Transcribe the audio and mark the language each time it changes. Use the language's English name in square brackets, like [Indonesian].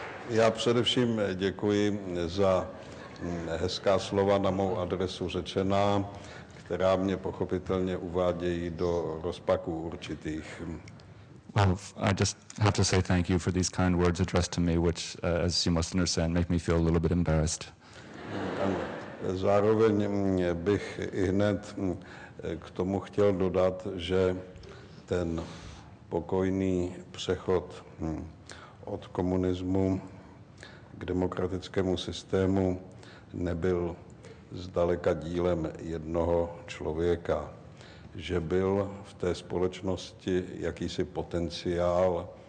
[Czech] Já především děkuji za hezká slova na mou adresu řečená, která mě pochopitelně uvádějí do rozpaku určitých. [English] Well, I just have to say thank you for these kind words addressed to me, which, as you must understand, make me feel a little bit embarrassed. [Czech] Zároveň bych i hned k tomu chtěl dodat, že ten pokojný přechod od komunismu k demokratickému systému nebyl zdaleka dílem jednoho člověka, že byl v té společnosti jakýsi potenciál,